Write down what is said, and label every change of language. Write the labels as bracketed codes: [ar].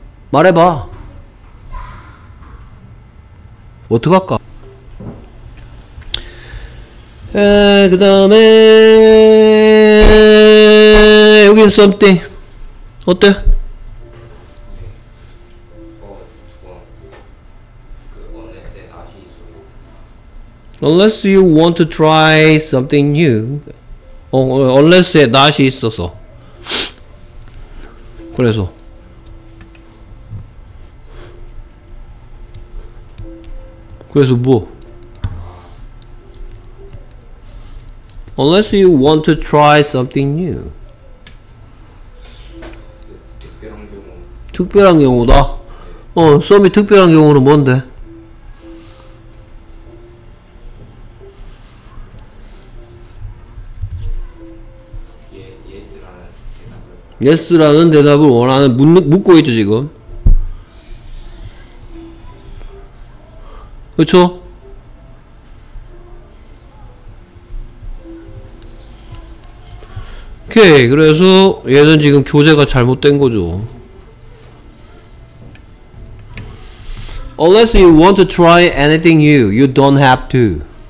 [ko] 말해봐. 어떡할까? 그 다음에 여긴 썸띵 어때? [en] 어, unless you want to try something new. [ko] 어, unless에 낫이 있어서. 그래서 뭐? [en] Unless you want to try something new. [ko] 특별한 경우. 특별한 경우다. 어, 썸이 특별한 경우는 뭔데? 예, yes라는 대답을 원하는 묻고 있죠 지금. 그렇죠? 오케이 그래서 얘는 지금 교재가 잘못된거죠. [en] Unless you want to try anything new, you don't have to.